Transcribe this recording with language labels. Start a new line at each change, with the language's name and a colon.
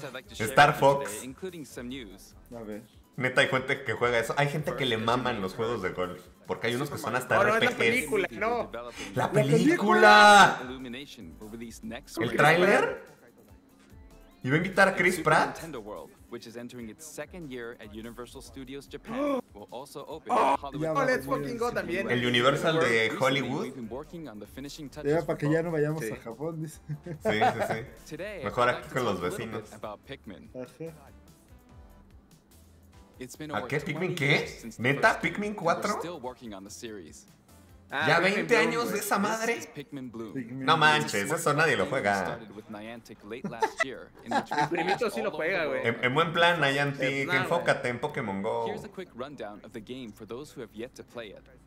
English: Star Fox.
Spanish: A ver. Neta, hay gente que juega eso. Hay gente que le maman los juegos de golf. Porque hay unos que son hasta RPGs. ¡No, es la película! ¡No! ¡La película! ¿El tráiler? ¿Y va a invitar a Chris Pratt?
English: Which is entering its second year at Universal Studios Japan will also open Hollywood. Let's fucking go también.
Spanish: El Universal de Hollywood. Era para que ya no vayamos a Japón, dice. Sí, sí, sí. Mejor aquí con los vecinos. ¿A qué Pikmin qué? ¿Neta Pikmin 4? Ya 20 años de esa madre. No manches, eso nadie lo juega. Primito sí lo juega, güey. En buen plan, Niantic, enfócate en Pokémon Go.
English: Here's a quick rundown of the game for those who have yet to play it.